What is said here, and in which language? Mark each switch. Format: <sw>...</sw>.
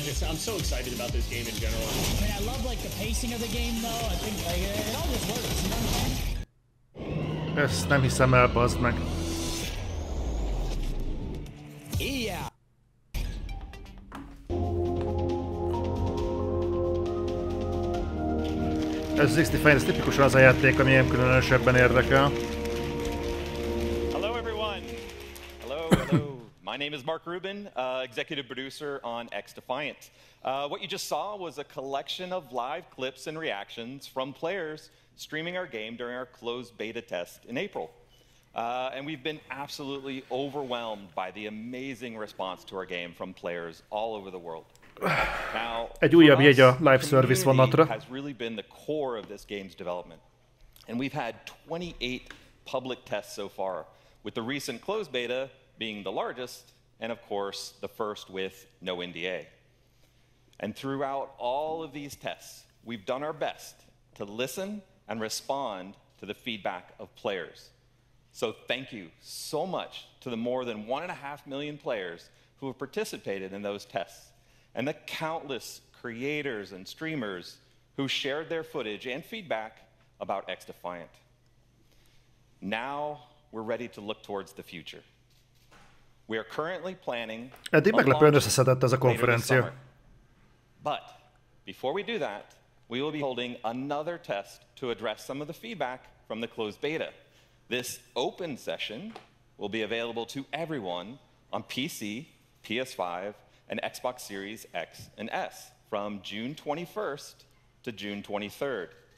<en>I'm so excited about this game in general. I mean, I love like the pacing of the game, though. I think like it all just works. You know what I'm saying?</en> <hu>Ezt nem hiszem el, bazd meg.</hu> <en>Yeah.</en> <hu>Ez az X-Defiant, ez tipikusan az a játék, ami ilyen különösebben érdekel.</hu> <en>Hello everyone! Hello. My name is Mark Rubin, executive producer on X-Defiant. What you just saw was a collection of live clips and reactions from players streaming our game during our closed beta test in April. And we've been absolutely overwhelmed by the amazing response to our game from players all over the world.</en> <hu>Now, egy újabb jegy a live service vonatra.</hu> <en>Has really been the core of this game's development. And we've had 28 public tests so far, with the recent closed beta being the largest, and of course, the first with no NDA. And throughout all of these tests, we've done our best to listen and respond to the feedback of players. So thank you so much to the more than 1.5 million players who have participated in those tests, and the countless creators and streamers who shared their footage and feedback about X Defiant. Now we're ready to look towards the future. We are currently planning.</en> <hu>Eddig meglepően összeszedett ez a konferencia.</hu> <en>But before we do that, we will be holding another test to address some of the feedback from the closed beta. This open session will be available to everyone on PC, PS5, and Xbox Series X and S from June 21st to June 23rd.</en>